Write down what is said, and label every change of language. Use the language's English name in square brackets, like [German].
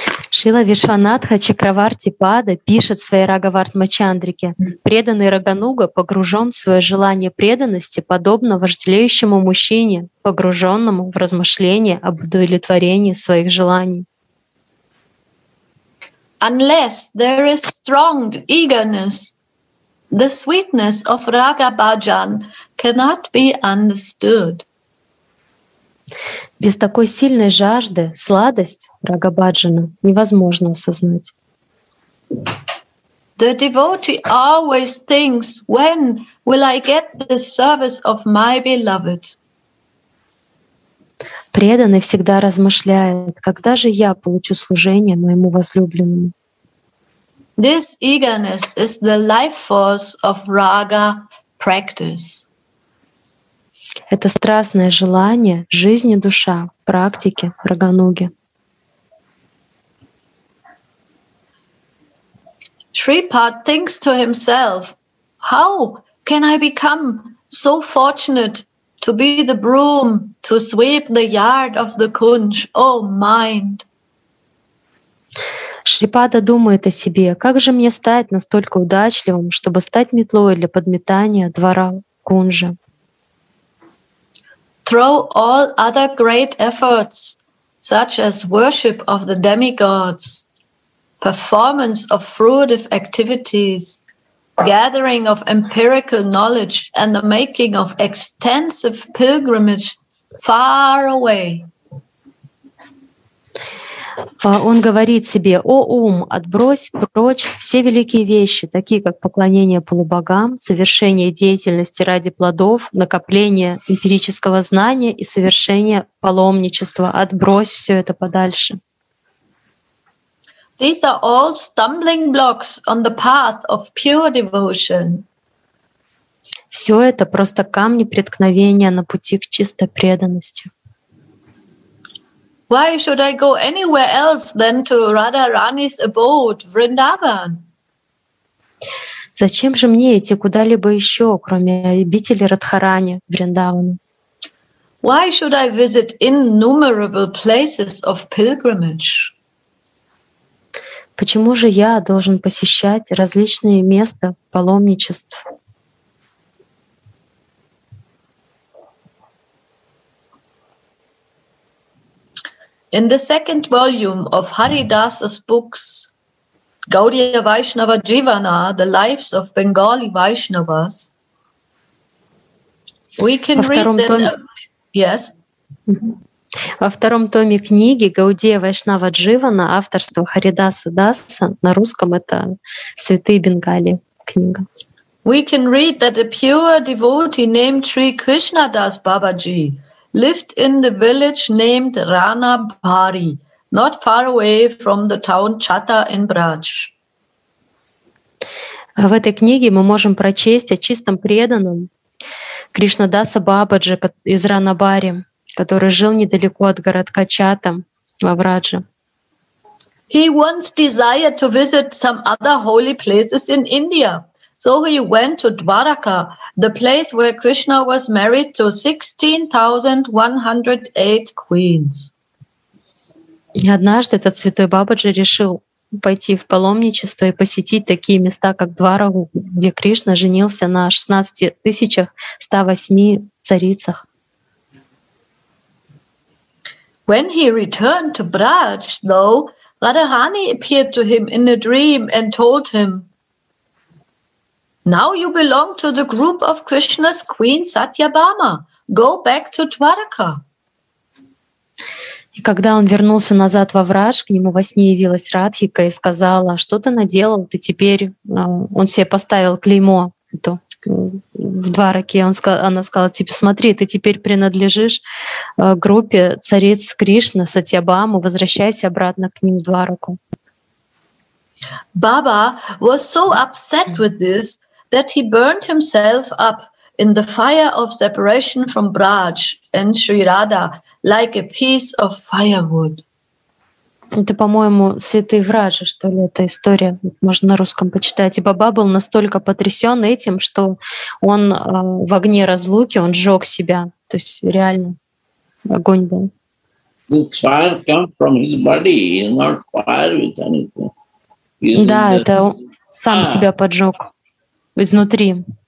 [Russian] Шрила Вишванатха Чакраварти Пада пишет в своей Рагхаватма Чандрике: «Преданный Рагануга погружен в свое желание преданности, подобно вожделеющему мужчине, погруженному в размышления об удовлетворении своих желаний». [English] Unless there is strong eagerness, the sweetness of Raga Bhajan cannot be understood. [Russian] Без такой сильной жажды сладость Рагабаджана невозможно осознать. [English] The devotee always thinks, when will I get the service of my beloved? [Russian] Преданный всегда размышляет, когда же я получу служение моему возлюбленному. [English] This eagerness is the life force of raga practice. [Russian] Это страстное желание жизни душа в практике рагануги. [English] Shripad thinks to himself, how can I become so fortunate to be the broom to sweep the yard of the kunj, O mind? [Russian] Шрипада думает о себе, как же мне стать настолько удачливым, чтобы стать метлой для подметания двора кунжа? [English] Throw all other great efforts, such as worship of the demigods, performance of fruitive activities, gathering of empirical knowledge and the making of extensive pilgrimage far away. [Russian] Он говорит себе, о ум, отбрось прочь все великие вещи, такие как поклонение полубогам, совершение деятельности ради плодов, накопление эмпирического знания и совершение паломничества. Отбрось все это подальше. [English] These are all stumbling blocks on the path of pure devotion. [Russian] Все это просто камни преткновения на пути к чистой преданности. [English] Why should I go anywhere else than to Radharani's abode, Vrindavan? [Russian] Зачем же мне идти куда-либо еще, кроме обители Радхарани, Вриндавана? [English] Why should I visit innumerable places of pilgrimage? [Russian] Почему же я должен посещать различные места паломничества? [English] In the second volume of Haridasa's books, Gaudiya Vaishnava Jivana, The Lives of Bengali Vaishnavas, we can read that. Yes. [Russian] Во втором томе книги «Гаудия Вайшнава Дживана», авторство Харидаса Даса, на русском это «Святые Бенгали» книга. [English] We can read that a pure devotee named Sri Krishna Das Babaji lived in the village named Rana Bhari, not far away from the town Chata in Braj. [Russian] В этой книге мы можем прочесть о чистом преданном Кришнадаса Бабаджи из Ранабари, который жил недалеко от городка Чата во Врадже. [English] He once desired to visit some other holy places in India, so he went to Dwaraka, the place where Krishna was married to 16,108 queens. [Russian] И однажды этот святой Бабаджи решил пойти в паломничество и посетить такие места, как Двараку, где Кришна женился на 16,108 царицах. [English] When he returned to Braj, though, Radharani appeared to him in a dream and told him, now you belong to the group of Krishna's queen Satyabhama. Go back to Dwaraka. [Russian] И когда он вернулся назад во Враж, к нему во сне явилась Радхика и сказала, что ты наделал, ты теперь, он себе поставил клеймо то, в Двараке, она сказала, типа, смотри, ты теперь принадлежишь группе цариц Кришны, Сатьябаму, возвращайся обратно к ним в Двараку. [English] Баба was so upset with this, that he burned himself up in the fire of separation from Braj and Sri Radha, like a piece of firewood. [Russian] Это, по-моему, святые вражи, что ли, эта история. Можно на русском почитать. И Баба был настолько потрясен этим, что он в огне разлуки, он сжег себя. То есть реально огонь был. Да, это он сам себя поджег изнутри.